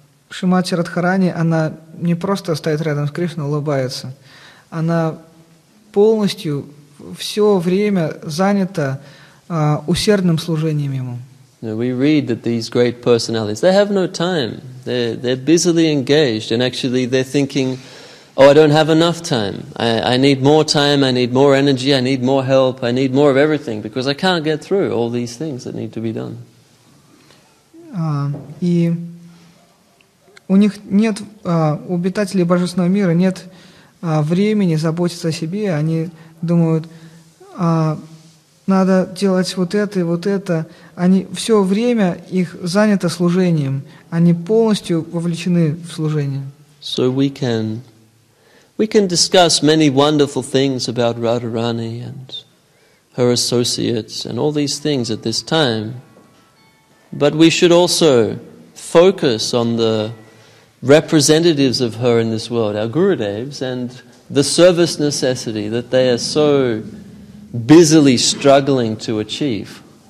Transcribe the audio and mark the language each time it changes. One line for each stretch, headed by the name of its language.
Russian: Шримати Радхарани, она не просто стоит рядом с Кришной, улыбается. Она полностью все время занято усердным служением ему.
English: We read that these great personalities, they have no time. They're busily engaged, and actually they're thinking, oh, I don't have enough time. I need more time, I need more energy, I need more help, I need more of everything, because I can't get through all these things that need to be done.
Russian: И у них нет, у обитателей Божественного мира нет времени заботиться о себе, они думают, надо делать вот это и вот это. Они все время их занято служением, они полностью вовлечены в служение.
English: So we can discuss many wonderful things about Radharani and her associates and all these things at this time, but we should also focus on the representatives of her in this world, our Gurudevs, and the service necessity that they are so busily struggling to achieve.